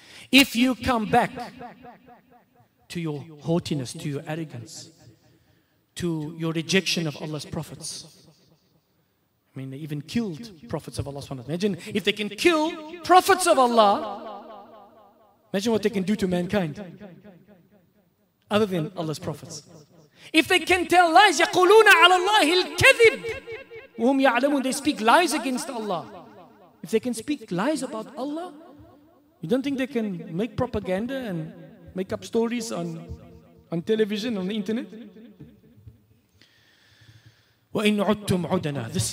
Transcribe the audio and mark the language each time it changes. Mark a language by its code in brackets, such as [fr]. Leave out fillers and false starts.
[en] If you come back to your haughtiness, to your arrogance, to your rejection of Allah's prophets. I mean, they even killed prophets of Allah. Imagine if they can kill prophets of Allah. Imagine what they can do to mankind. Other than Allah's prophets. If they can tell lies, [ar] يَقُولُونَ عَلَى اللَّهِ الْكَذِبِ وَهُمْ يَعْلَمُونَ. [en] They speak lies against Allah. If they can speak lies about Allah, you don't think they can make propaganda and make up stories on television, on the internet? [ar] وَإِنْ عُدْتُمْ عُدَنَا.